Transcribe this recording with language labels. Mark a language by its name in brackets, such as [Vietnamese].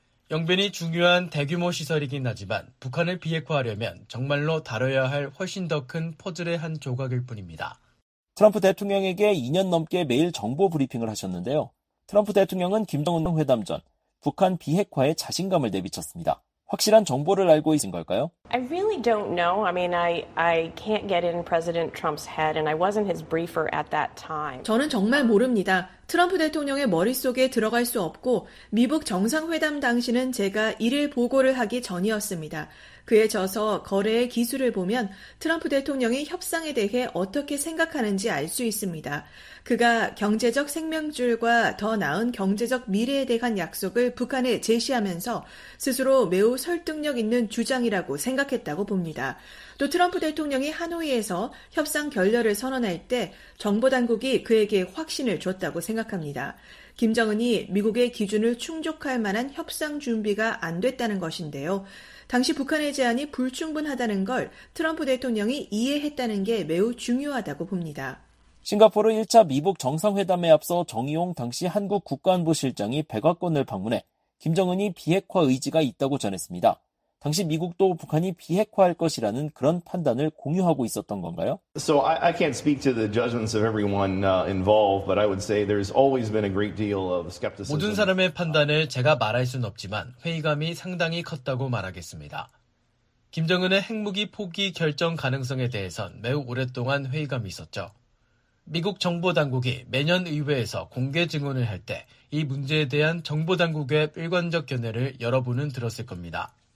[Korean] 영변이 중요한 대규모 시설이긴 하지만 북한을 비핵화하려면 정말로 다뤄야 할 훨씬 더 큰 퍼즐의 한 조각일 뿐입니다. 트럼프 대통령에게 2년 넘게 매일 정보 브리핑을 하셨는데요. 트럼프 대통령은 김정은 회담 전 북한 비핵화에 자신감을 내비쳤습니다. 확실한 정보를 알고 있는 걸까요? [English] I really don't know. I mean, I can't get in President Trump's head and I wasn't his briefer at that time. [Korean] 저는 정말 모릅니다. 트럼프 대통령의 머릿속에 들어갈 수 없고 미북 정상회담 당시는 제가 이를 보고를 하기 전이었습니다. 그의 저서 거래의 기술을 보면 트럼프 대통령이 협상에 대해 어떻게 생각하는지 알 수 있습니다. 그가 경제적 생명줄과 더 나은 경제적 미래에 대한 약속을 북한에 제시하면서 스스로 매우 설득력 있는 주장이라고 생각했다고 봅니다. 또 트럼프 대통령이 하노이에서 협상 결렬을 선언할 때 정보당국이 그에게 확신을 줬다고 생각합니다. 김정은이 미국의 기준을 충족할 만한 협상 준비가 안 됐다는 것인데요. 당시 북한의 제안이 불충분하다는 걸 트럼프 대통령이 이해했다는 게 매우 중요하다고 봅니다. 싱가포르 1차 미북 정상회담에 앞서 정의용 당시 한국 국가안보실장이 백악관을 방문해 김정은이 비핵화 의지가 있다고 전했습니다. 당시 미국도 북한이 비핵화할 것이라는 그런 판단을 공유하고 있었던 건가요? [English] So I can't speak to the judgments of everyone involved, but I would say there's always been a great deal of skepticism. [Korean] 모든 사람의 판단을 제가 말할 순 없지만 회의감이 상당히 컸다고 말하겠습니다. 김정은의 핵무기 포기 결정 가능성에 대해선 매우 오랫동안 회의감이 있었죠. 미국 정보당국이 매년 의회에서 공개 증언을 할 때 이 문제에 대한 정보당국의 일관적 견해를 여러분은 들었을 겁니다.